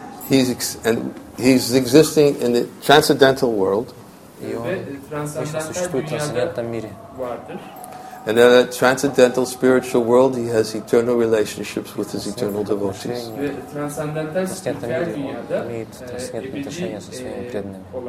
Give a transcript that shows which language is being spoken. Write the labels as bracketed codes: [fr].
[en] He's existing in the transcendental world. [ru] И он вечно существует в трансцендентном мире. [en] And in that transcendental spiritual world, he has eternal relationships with his eternal devotees. [ru] В трансцендентальном мире он имеет трансцендентные отношения со своими преданными.